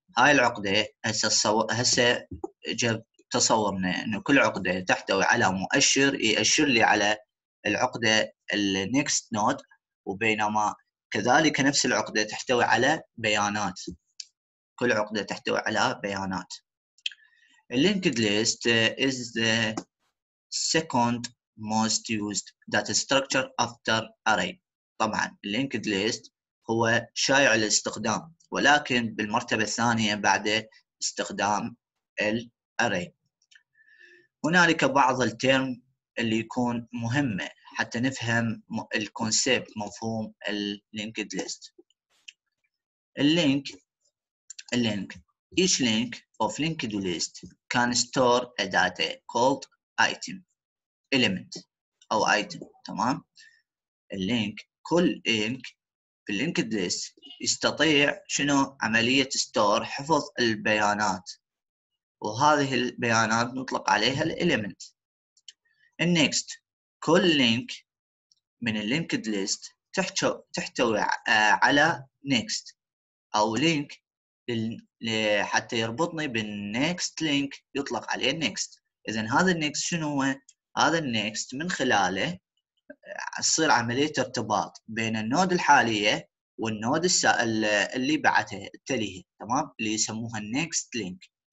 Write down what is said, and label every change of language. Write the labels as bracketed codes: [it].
[ar] هاي العقدة هسه تصورنا إنه كل عقدة تحتوي على مؤشر يأشر لي على العقدة next node، وبينما كذلك نفس العقدة تحتوي على بيانات. كل عقدة تحتوي على بيانات. [en] linked list is the second most used data structure after array. [ar] طبعا linked list هو شائع الاستخدام، ولكن بالمرتبة الثانية بعد استخدام ال array. هنالك بعض الترم اللي يكون مهمة حتى نفهم الكونسيبت، مفهوم ال linked list. اللينك [en] each link of linked list can store a data called item [ar] element أو item، تمام؟ اللينك، كل لينك في linked list يستطيع شنو؟ عملية store، حفظ البيانات، وهذه البيانات نطلق عليها element. next كل لينك من linked list تحتوي على next أو link حتى يربطني بالنيكست لينك، يطلق عليه النيكست. اذا هذا النيكست شنو هو؟ هذا النيكست من خلاله تصير عمليه ارتباط بين النود الحاليه والنود اللي بعدها التاليه، تمام؟ اللي يسموها النيكست لينك.